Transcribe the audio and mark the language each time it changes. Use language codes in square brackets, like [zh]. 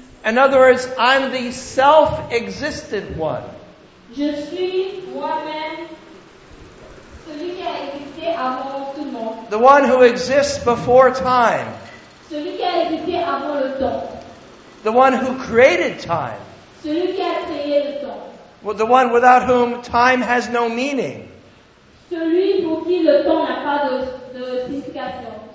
[en] In other words, I'm the self-existent one. [fr] Je suis moi-même celui qui a existé avant tout le monde. [en] The one who exists before time. [fr] Celui qui a existé avant le temps. [en] The one who created time. [fr] Celui qui a créé le temps. [en] The one without whom time has no meaning. [fr] Celui pour qui le temps n'a pas de signification.